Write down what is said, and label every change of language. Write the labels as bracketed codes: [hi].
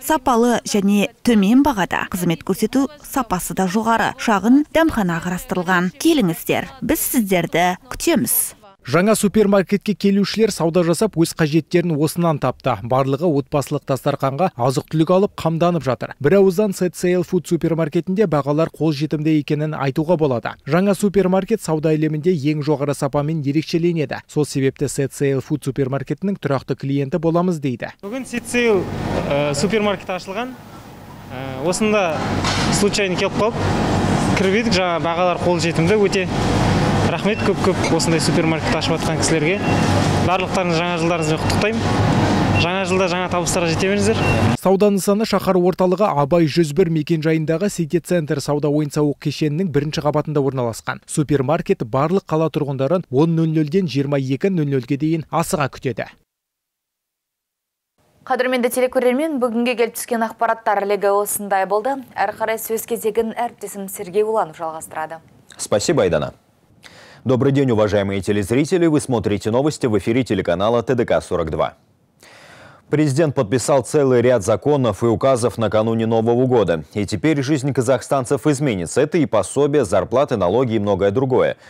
[kk] Сапалы және төмен бағада қызмет көрсету сапасы да жоғары. Шағын дәмхана қарастырылған. Келіңіздер, біз сіздерді күтеміз. Жаңа супермаркетке келушілер сауда жасап, өз қажеттерін осынан тапты. Барлығы отбасылық дастарқанға азық-түлік алып, қамданып жатыр. Бір ауыздан CCL Food супермаркетінде бағалар қол жетімді екенін айтуға болады. Жаңа супермаркет сауда әлемінде ең жоғары сапамен ерекшеленеді. Сол себепті CCL Food супермаркетінің тұрақты клиенті боламыз дейді. Бүгін CCL супермаркет ашылған. Осында случайын келіп қалып, кіріп едік, жаңа бағалар қол жетімді өте. Рахмет көп-көп осындай супермаркет ашып атқан кісілерге. Барлықтарыңыз жаңа жылдарыңызды құттықтаймын. Жаңа жылда жаңа табыстарға жете беріңіздер. Сауда нысаны шаһар орталығы Абай 101 мекен жайындағы City Center сауда ойын-сауық кешенінің бірінші қабатында орналасқан. Супермаркет барлық қала тұрғындарын 10:00-ден 22:00-ге дейін асыға күтеді. Қадірменді телекөрермен, бүгінге келіп түскен ақпараттар легі осындай болды. Әрі қарай сөз кезегін әріптесім Сергей Уланов жалғастырады. [ru] Спасибо, Айдана. Добрый день, уважаемые телезрители! Вы смотрите новости в эфире телеканала ТДК-42. Президент подписал целый ряд законов и указов накануне Нового года. И теперь жизнь казахстанцев изменится. Это и пособия, зарплаты, налоги и многое другое.